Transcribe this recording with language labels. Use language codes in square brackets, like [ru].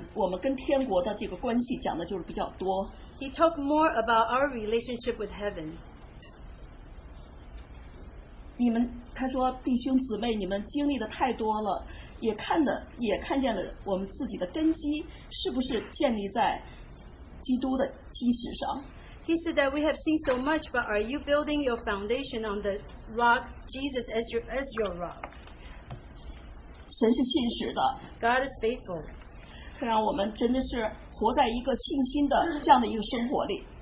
[zh] 他讲的就跟我们跟天国的这个关系讲的就是比较多。 [en] He talked more about our relationship with heaven. [zh] 他说弟兄姊妹你们经历的太多了，也看见了我们自己的根基是不是建立在基督的基石上。 [en] He said that we have seen so much, but are you building your foundation on the rock Jesus as your rock? [zh] 神是信实的， [en] God is faithful. [zh] 让我们真的是活在一个信心的这样的一个生活里。